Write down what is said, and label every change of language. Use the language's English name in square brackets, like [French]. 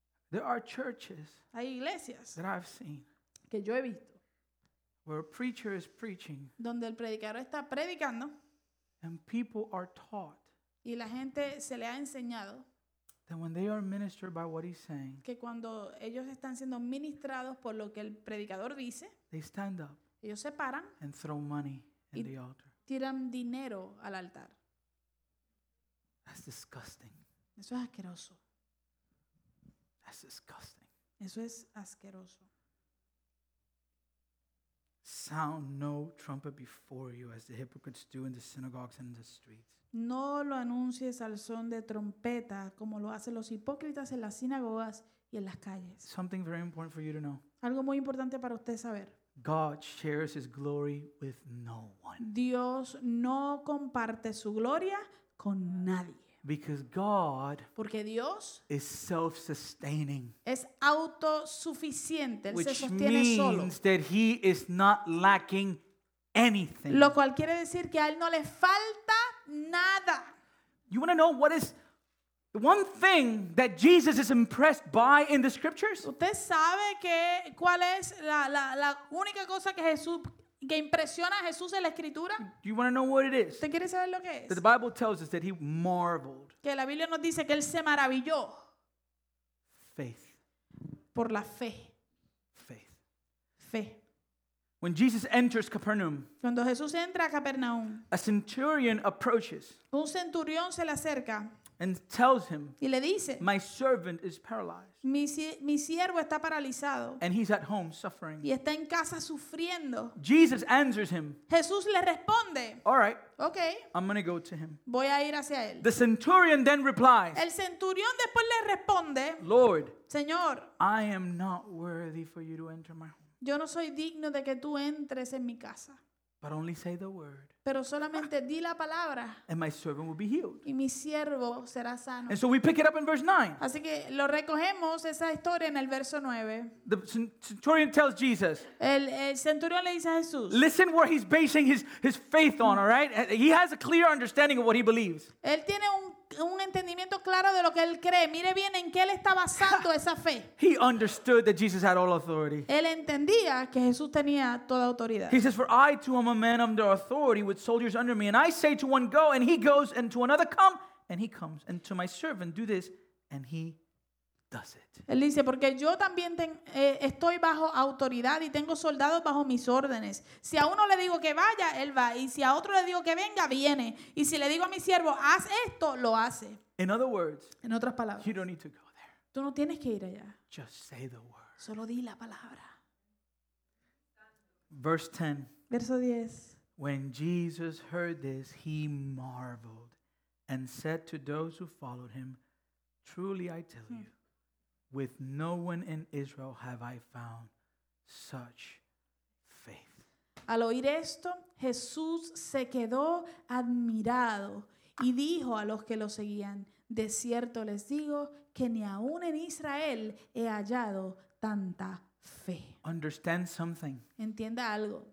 [English] There are churches [Spanish] Hay iglesias [English] that I've seen [Spanish] que yo he visto [English] where a preacher is preaching [Spanish] donde el predicador está predicando [English] and people are taught [Spanish] y la gente se le ha enseñado [English] that when they are ministered by what he's saying [Spanish] que cuando ellos están siendo ministrados por lo que el predicador dice [English] they stand up [Spanish] ellos se paran [English] and throw money in the altar. [Spanish] Tiran dinero al altar. [English] That's disgusting. [Spanish] Eso es asqueroso. [English] That's disgusting. [Spanish] Eso es asqueroso. [English] Sound no trumpet before you as the hypocrites do in the synagogues and in the streets. [Spanish] No lo anuncies al son de trompeta como lo hacen los hipócritas en las sinagogas y en las calles. [English] Something very important for you to know. [Spanish] Algo muy importante para usted saber. [English] God shares his glory with no one. [Spanish] Dios no comparte su gloria con nadie. [English] Because God [Spanish] Porque Dios [English] is self-sustaining. [Spanish] Es autosuficiente. [English] Which [Spanish] se sostiene [English] means [Spanish] solo. [English] That he is not lacking anything. [Spanish] Lo cual quiere decir que a él no le falta nada. [English] You want to know what is one thing that Jesus is impressed by in the scriptures? [Spanish] ¿Usted sabe que cuál es la única cosa que Jesús... que impresiona a Jesús en la escritura? [English] Do you want to know what it is? [Spanish] ¿Te quieres saber lo que es? [English] That the Bible tells us that he marveled. [Spanish] Que la Biblia nos dice que él se maravilló. [English] Faith. [Spanish] Por la fe. [English] Faith. [Spanish] Fe. [English] When Jesus enters Capernaum. [Spanish] Cuando Jesús entra a Capernaum. [English] A centurion approaches. [Spanish] Un centurión se le acerca. [English] And tells him. [Spanish] Y le dice. [English] My servant is paralyzed. [Spanish] Mi siervo está paralizado. [English] And he's at home suffering. [Spanish] Y está en casa sufriendo. [English] Jesus answers him. [Spanish] Jesús le responde. [English] All right. Okay. I'm going to go to him. [Spanish] Voy a ir hacia él. [English] The centurion then replies. [Spanish] El centurión después le responde. [English] Lord. [Spanish] Señor. [English] I am not worthy for you to enter my home. [Spanish] Yo no soy digno de que tú entres en mi casa. [English] But only say the word. [Spanish] Pero solamente di la palabra. [English] And my servant will be healed. [Spanish] Y mi siervo será sano. [English] And so we pick it up in verse 9. [Spanish] Así que lo recogemos esa historia en el verso 9. [English] The centurion tells Jesus. [Spanish] El centurión le dice a Jesús. [English] Listen where he's basing his faith on, all right? He has a clear understanding of what he believes. [Spanish] Él tiene un entendimiento claro de lo que él cree. Mire bien en qué él está basando esa fe. [English] He understood that Jesus had all authority. [Spanish] Él entendía que Jesús tenía toda autoridad. [English] He says, for I too am a man under authority with soldiers under me, and I say to one go and he goes, and to another come and he comes, and to my servant do this and he does it. [Spanish] Él dice, porque yo también estoy bajo autoridad y tengo soldados bajo mis órdenes. Si a uno le digo que vaya, él va. Y si a otro le digo que venga, viene. Y si le digo a mi siervo, haz esto, lo hace. [English] In other words, [Spanish] en otras palabras, [English] you don't need to go there. [Spanish] Tú no tienes que ir allá. [English] Just say the word. [Spanish] Solo di la palabra. [English] Verse 10. [Spanish] Verso 10. [English] When Jesus heard this, he marveled and said to those who followed him, truly I tell you, with no one in Israel have I found such faith. [Spanish] Al oír esto, Jesús se quedó admirado y dijo a los que lo seguían, De cierto les digo que ni aun en Israel he hallado tanta fe. [English] Understand something. [Spanish] Entienda algo.